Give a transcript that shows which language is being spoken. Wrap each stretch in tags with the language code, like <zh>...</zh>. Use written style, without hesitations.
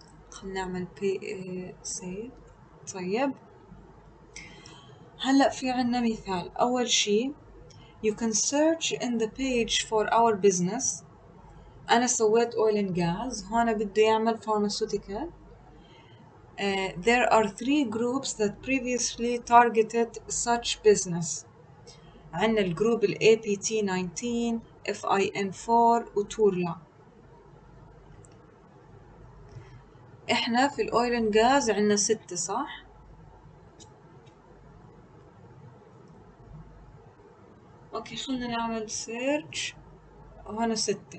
<ar>خلنا نعمل save. طيب هلأ في عنا مثال. أول شيء</ar> <en>you can search in the page for our business.</en> <ar>أنا سويت oil and gas، هون بده يعمل pharmaceutical.</ar> <en>There are three groups that previously targeted such business.</en> <ar>عنا الجروب ال APT19 FIN4 وتورلا. إحنا في ال oil and gas عنا 6 صح؟ أوكي خلنا نعمل search هون 6.</ar>